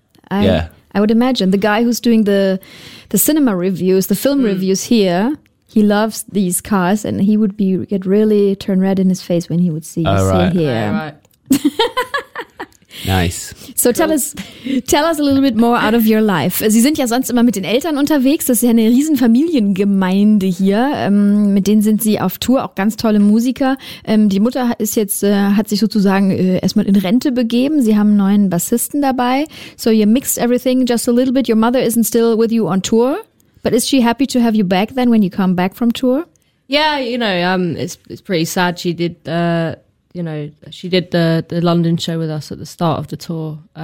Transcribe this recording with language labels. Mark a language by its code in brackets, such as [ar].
[en] I would imagine the guy who's doing the cinema reviews, the film reviews here, he loves these cars and he would get really turn red in his face when he would see here. Nice. So cool. tell us a little bit more out of your life. [de] Sie sind ja sonst immer mit den Eltern unterwegs. Das ist ja eine riesen Familiengemeinde hier. Mit denen sind sie auf Tour, auch ganz tolle Musiker. Die Mutter ist jetzt hat sich sozusagen erstmal in Rente begeben. Sie haben einen neuen Bassisten dabei. [en] So you mixed everything just a little bit. Your mother isn't still with you on tour, but is she happy to have you back then when you come back from tour? Yeah, you know, it's pretty sad. She did. You know, she did the London show with us at the start of the tour.